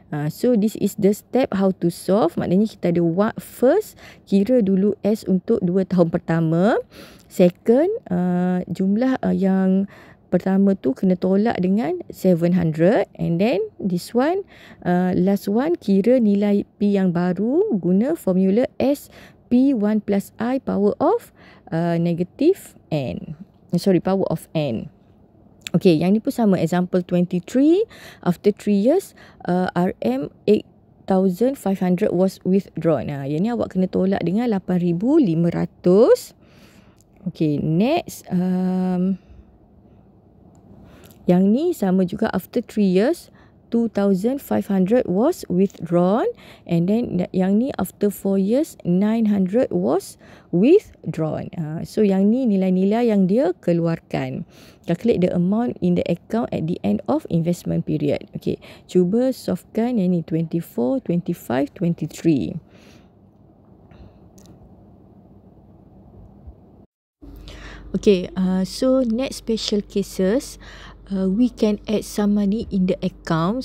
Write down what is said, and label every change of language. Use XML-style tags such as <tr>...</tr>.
<en>So this is the step how to solve.</en> <ms>Maknanya kita ada</ms> <en>what first,</en> <ms>kira dulu S untuk 2 tahun pertama. Second, jumlah yang pertama tu kena tolak dengan 700,</ms> <en>and then this one, last one,</en> <ms>kira nilai P yang baru guna formula SP1 plus I power of negative N.</ms> <en>Sorry, power of N. Okay,</en> <ms>yang ni pun sama.</ms> <en>Example 23, after 3 years, RM8,500 was withdrawn.</en> <ms>Yang ni awak kena tolak dengan 8,500. Okay, next. Yang ni sama juga,</ms> <en>after 3 years, 2,500 was withdrawn. And then</en> <ms>yang ni</ms> <en>after 4 years, 900 was withdrawn.</en> <ms>So yang ni nilai-nilai yang dia keluarkan.</ms> <en>Calculate the amount in the account at the end of investment period.</en> <ms>Okay, cuba solvekan yang ni 24, 25, 23.</ms> <en>Okay, so next special cases, we can add some money in the account.</en>